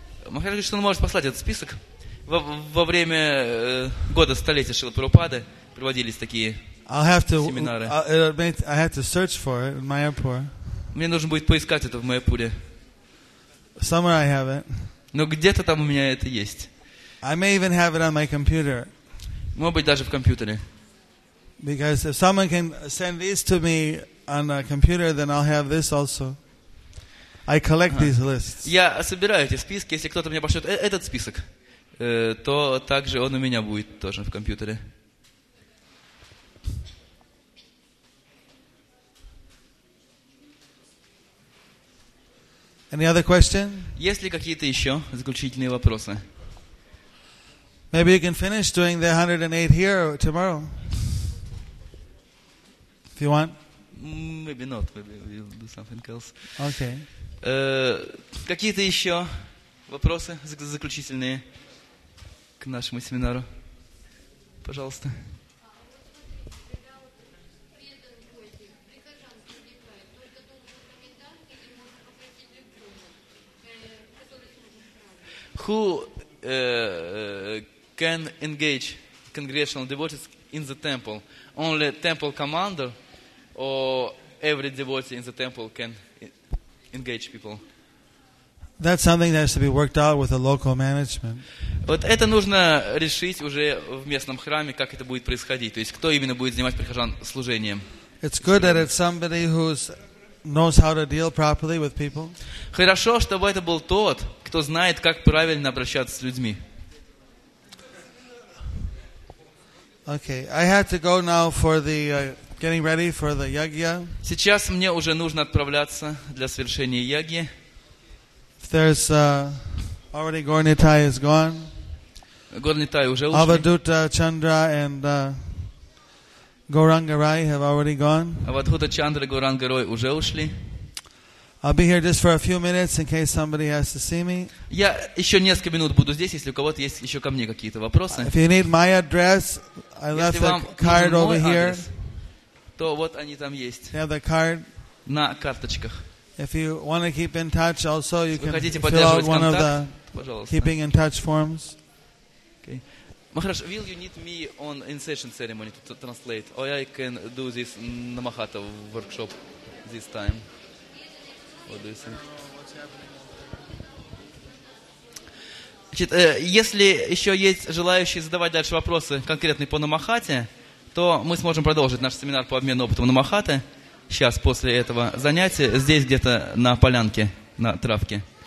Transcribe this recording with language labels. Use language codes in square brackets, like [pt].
[ru] Махарадж говорит, что он может послать этот список. Во время года столетия Шрилы Прабхупады проводились такие семинары. [en] I have to search for it in Mayapur. [ru] Мне нужно будет поискать это в Майяпуре. [en] Somewhere I have it. [ru] Но где-то там у меня это есть. [en] I may even have it on my computer. [ru] Может быть, даже в компьютере. [en] Because if someone can send these to me on a computer, then I'll have this also. I collect these lists. [ru] Я собираю эти списки. Если кто-то мне пошлет этот список, то также он у меня будет тоже в компьютере. [en] Any other question? [ru] Есть ли какие-то еще заключительные вопросы? [en] Maybe you can finish doing the 108 here tomorrow. If you want. Maybe not. Maybe we'll do something else. Okay. [ru] Какие-то еще вопросы заключительные к нашему семинару? Пожалуйста. [en] Who can engage congregational devotees in the temple? Only temple commander or every devotee in the temple can engage people? That's something that has to be worked out with the local management. [ru] Вот это нужно решить уже в местном храме, как это будет происходить. То есть кто именно будет занимать прихожан служением. [en] It's good that it's somebody who knows how to deal properly with people. [ru] Хорошо, чтобы это был тот, кто знает, как правильно обращаться с людьми. [en] Okay, I have to go now for the getting ready for the yagya. [ru] Сейчас мне уже нужно отправляться для совершения яги. [en] There's already Горнитай is gone. [ru] Горнитай уже ушли. [en] Avadhuta Chandra and Gauranga Rai have already gone. [ru] Avadhuta Chandra Gauranga Rai уже ушли. [en] I'll be here just for a few minutes in case somebody has to see me. [ru] Я еще несколько минут буду здесь, если у кого-то есть еще ко мне какие-то вопросы. [en] If you need my address, I left the card over here. [ru] То вот они там есть. [en] They have the card. [ru] На карточках. [en] If you want to keep in touch, also you can fill out one of the keeping in touch forms. Okay. Maharaj, will you need me on in session ceremony to translate, or I can do this Namahata workshop this time? [ru] Значит, если еще есть желающие задавать дальше вопросы конкретные по Намахате, то мы сможем продолжить наш семинар по обмену опытом Намахате сейчас после этого занятия здесь где-то на полянке, на травке.